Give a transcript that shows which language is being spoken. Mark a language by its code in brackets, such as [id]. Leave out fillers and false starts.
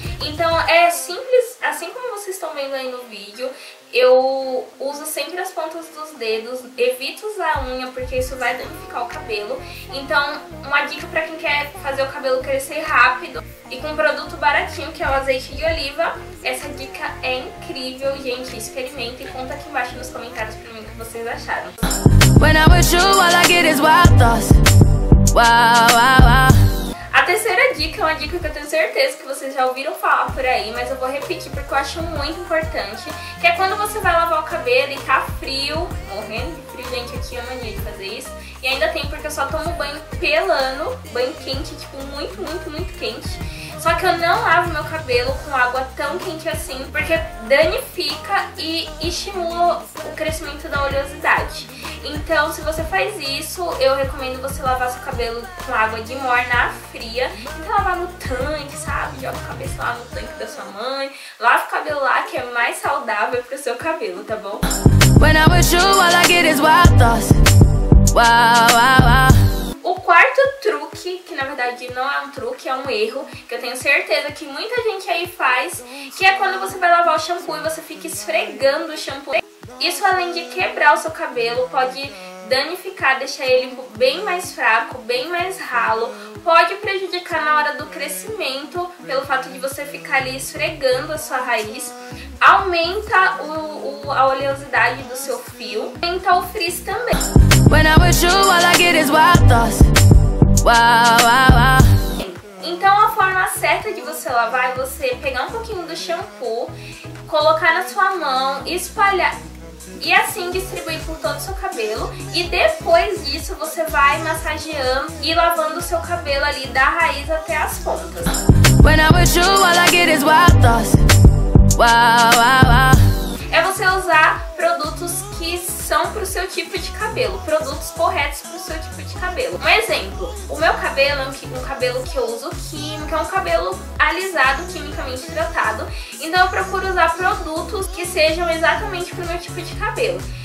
[pt] Então é simples, assim como vocês estão vendo aí no vídeo, eu uso sempre as pontas dos dedos, evito usar a unha porque isso vai danificar o cabelo. Então uma dica pra quem quer fazer o cabelo crescer rápido e com um produto baratinho, que é o azeite de oliva, essa dica é incrível, gente, experimenta e conta aqui embaixo nos comentários pra mim o que vocês acharam. [en] When I'm with you, all I get is wild thoughts. Wow, wow, wow. [pt] A terceira dica é uma dica que eu tenho certeza que vocês já ouviram falar por aí, mas eu vou repetir porque eu acho muito importante, que é quando você vai lavar o cabelo e tá frio, morrendo de frio, gente, eu tinha mania de fazer isso, e ainda tem porque eu só tomo banho pelando, banho quente, tipo muito, muito, muito quente. Só que eu não lavo meu cabelo com água tão quente assim, porque danifica e estimula o crescimento da oleosidade. Então, se você faz isso, eu recomendo você lavar seu cabelo com água de morna fria. Tenta lavar no tanque, sabe? Joga o cabelo lá no tanque da sua mãe. Lava o cabelo lá, que é mais saudável pro seu cabelo, tá bom? [en] When I'm with you, all I get is wild thoughts. Wow, wow, wow. [pt] O quarto truque, que na verdade não é um truque, é um erro, que eu tenho certeza que muita gente aí faz, que é quando você vai lavar o shampoo e você fica esfregando o shampoo. Isso, além de quebrar o seu cabelo, pode danificar, deixar ele bem mais fraco, bem mais ralo, pode prejudicar na hora do crescimento, pelo fato de você ficar ali esfregando a sua raiz, aumenta a oleosidade do seu fio, aumenta o frizz também. [en] When I'm with you, all I get is wild thoughts. Wow, wow, wow. [pt] Então a forma certa de você lavar é você pegar um pouquinho do shampoo, colocar na sua mão, espalhar e assim distribuir por todo o seu cabelo. E depois disso você vai massageando e lavando o seu cabelo ali da raiz até as pontas. [en] When I'm with you, all I get is wild thoughts. [pt] Wow, wow, wow. É você usar produtos que são pro seu seu tipo de cabelo, produtos corretos pro seu tipo de cabelo. Um exemplo, o meu cabelo é um cabelo que eu uso químico, é um cabelo alisado, quimicamente tratado, então eu procuro usar produtos que sejam exatamente pro meu tipo de cabelo.